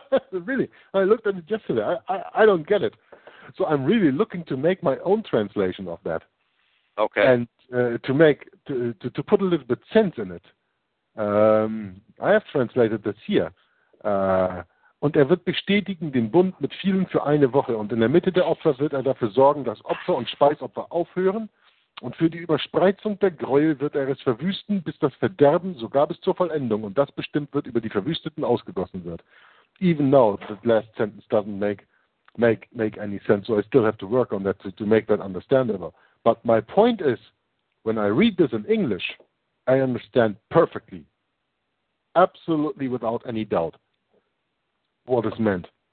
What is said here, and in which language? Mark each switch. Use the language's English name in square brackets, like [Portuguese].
[English] Really, I looked at it yesterday. I don't get it. So I'm really looking to make my own translation of that. Okay. And to put a little bit sense in it. I have translated this here. [German] Und wird bestätigen den Bund mit vielen für eine Woche. Und in der Mitte der Opfer wird dafür sorgen, dass Opfer und Speisopfer aufhören. Und für die Überspreizung der Gräuel wird es verwüsten, bis das Verderben sogar bis zur Vollendung und das bestimmt wird über die Verwüsteten ausgegossen wird. [English] Even now, that last sentence doesn't make any sense, so I still have to work on that to make that understandable. But my point is, when I read this in English, I understand perfectly, absolutely without any doubt, what is meant.